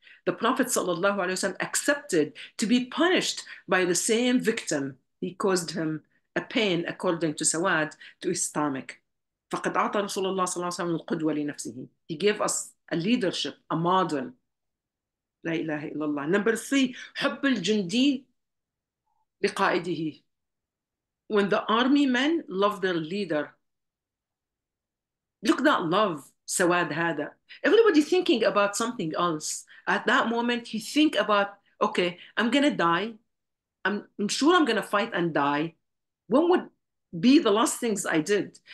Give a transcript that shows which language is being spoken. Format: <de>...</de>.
<en>The Prophet sallallahu alaihi wasallam accepted to be punished by the same victim. He caused him a pain, according to Sawad, to his stomach.</en> <ar>فَقَدْ عَطَى رَسُولَ اللَّهِ صَلَّى اللَّهُ عَلَيْهِ وَسَلَّمَ الْقُدْوَ لِنَفْسِهِ.</ar> <en>He gave us a leadership, a model.</en> <ar>La ilaha illallah.</ar> <en>Number three,</en> <ar>حُبُّ الْجُنْدِي لِقَائِدِهِ.</ar> <en>When the army men love their leader. Look at that love, Sawad Hada. Everybody thinking about something else. At that moment, he think about, okay, I'm gonna die. I'm sure I'm gonna fight and die. What would be the last things I did?</en>